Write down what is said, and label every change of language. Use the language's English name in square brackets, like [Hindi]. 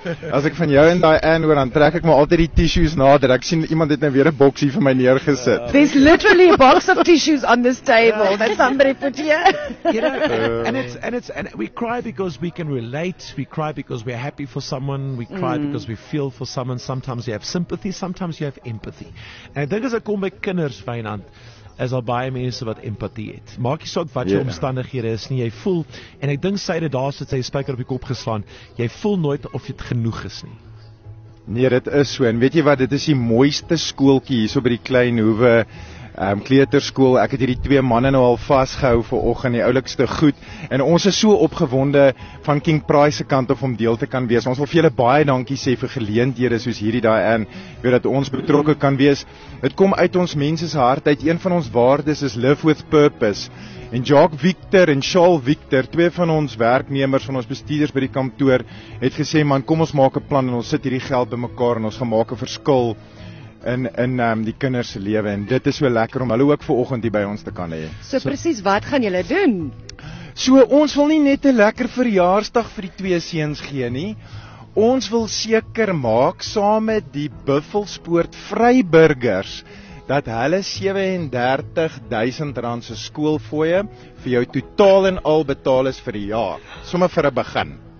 [Afrikaans] As ek van jou en die Anne hoor, dan trek ek my altyd die tissues nader. Ek sien iemand het nou weer 'n boksie vir my neergesit. [English] There's literally a box of tissues on this table that somebody put here. And we cry because we can relate. We cry because we're happy for someone. We cry because we feel for someone. Sometimes you have sympathy. Sometimes you have empathy. [Afrikaans] En ek dink as ek kom by kinders, Wynand, is al baie mense wat empatie het. Maak nie saak wat jou omstandighede is nie, jy voel, en ek dink sy het daar sit sy spyker op die kop geslaan, jy voel nooit of jy het genoeg is nie. Nee, dit is so, en weet jy wat, dit is die mooiste skooltjie hier so by die klein hoeve kleuterskool. Ek het hierdie twee manne nou al vasgehou vir oggend, die oulikste goed, en ons is so opgewonde van King Price se kant of om deel te kan wees. Ons wil vir julle baie dankie sê vir geleenthede soos hierdie daai en weet dat ons betrokke kan wees. Dit kom uit ons mense se hart uit. Een van ons waardes is [English] live with purpose. [Afrikaans] En Jacques Victor en Charles Victor, twee van ons werknemers, van ons bestuurders by die kantoor, het gesê, man, kom ons maak 'n plan en ons sit hierdie geld bymekaar en ons gaan maak 'n verskil in die kinders se lewe, en dit is so lekker om hulle ook vanoggend hier by ons te kan hê. So presies, wat gaan julle doen? So ons wil nie net 'n lekker verjaarsdag vir die twee seuns gee nie. Ons wil seker maak saam met die Buffelspoort Vryburgers dat hulle R37,000 se skoolfooie vir jou totaal en al betaal is vir die jaar, sommer vir 'n begin.